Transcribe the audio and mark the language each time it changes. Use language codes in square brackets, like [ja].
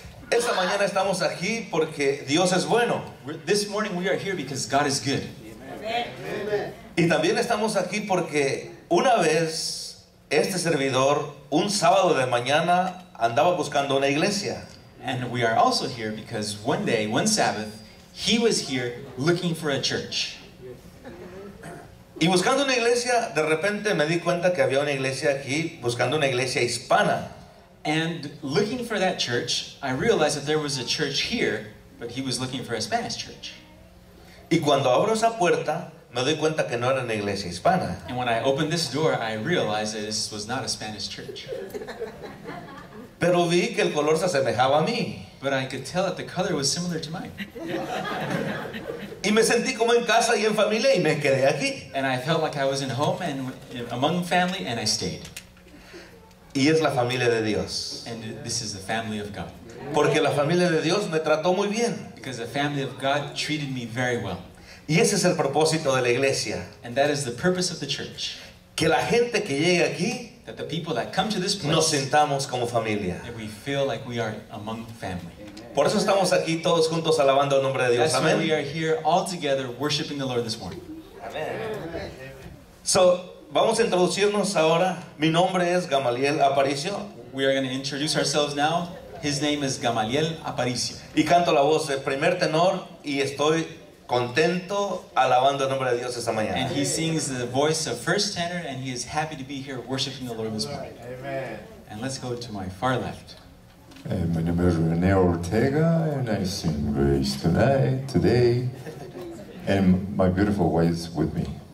[es] Esta mañana estamos aquí porque Dios es bueno. [en] This morning we are here because God is good. [es] Y también estamos aquí porque una vez este servidor un sábado de mañana andaba buscando una iglesia. [en] And we are also here because one day, one Sabbath, he was here looking for a church. [es] Y buscando una iglesia, de repente me di cuenta que había una iglesia aquí buscando una iglesia hispana. [en] And looking for that church, I realized that there was a church here, but he was looking for a Spanish church. [es] Y cuando abro esa puerta, me doy cuenta que no era una iglesia hispana. [en] And when I opened this door, I realized that this was not a Spanish church. [es] Pero vi que el color se asemejaba a mí. [en] But I could tell that the color was similar to mine. [es] Y me sentí como en casa y en familia y me quedé aquí. [en] And I felt like I was in home and among family and I stayed. [es] Y es la familia de Dios. [en] And this is the family of God. [es] Porque la familia de Dios me trató muy bien. [en] Because the family of God treated me very well. [es] Y ese es el propósito de la iglesia. [en] And that is the purpose of the church. [es] Que la gente que llegue aquí, [en] that the people that come to this place, [es] nos sentamos como familia. [en] That we feel like we are among family. [es] Por eso estamos aquí todos juntos alabando el nombre de Dios. Amen. [en] We are here all together worshiping the Lord this morning. [es] Amen. So, vamos a introducirnos ahora. Mi nombre es Gamaliel Aparicio. [en] We are going to introduce ourselves now. His name is Gamaliel Aparicio. [es] Y canto la voz de primer tenor y estoy contento alabando el nombre de Dios esta mañana. [en] And he sings the voice of first tenor and he is happy to be here worshiping the Lord this morning. Amen. And let's go to my far left. Hey, my name is Rene Ortega and I sing Grace today. And my beautiful wife is with me.